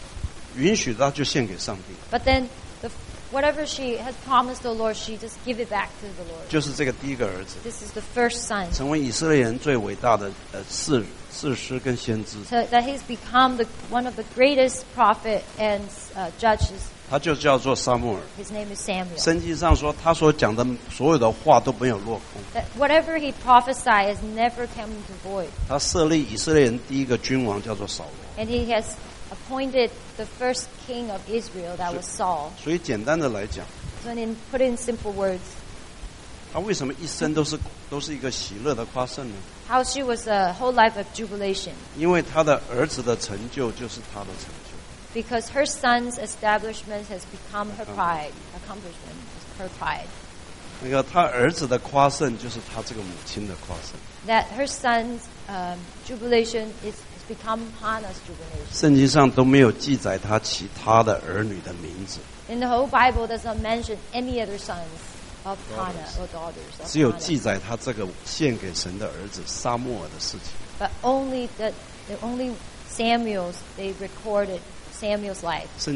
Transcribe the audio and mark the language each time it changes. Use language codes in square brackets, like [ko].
[zh] 但是她把第一个她跟神所允许的就献给上帝。 [en] But then whatever she has promised the Lord, she just give it back to the Lord. [zh] 就是这个第一个儿子。 [en] This is the first son. [zh] 成为以色列人最伟大的士师跟先知。 [en] So that he's become one of the greatest prophet and judges. [zh] 他就叫做撒母耳。 [en] His name is Samuel. [zh] 圣经上说，他所讲的所有的话都没有落空。 [en] That whatever he prophesied has never come into void. [zh] 他设立以色列人第一个君王叫做扫罗。 [en] And he has appointed the first king of Israel, that was Saul. [zh] 所以简单的来讲, [en] so in, put in simple words, [zh] 她为什么一生都是一个喜乐的夸胜呢? [en] How she was a whole life of jubilation. [zh] 因为她的儿子的成就就是她的成就。 [en] Because her son's establishment has become her pride, accomplishment is her pride. [zh] 那个她儿子的夸胜就是她这个母亲的夸胜。 [en] That her son's jubilation is become Hannah's jubilation. [zh] 圣经上都没有记载她其他的儿女的名字。 [en] In the whole Bible, does not mention any other sons of Hannah or daughters. [zh] 只有记载她这个献给神的儿子撒母耳的事情。 [en] But only that, only Samuel's, they recorded Samuel's life.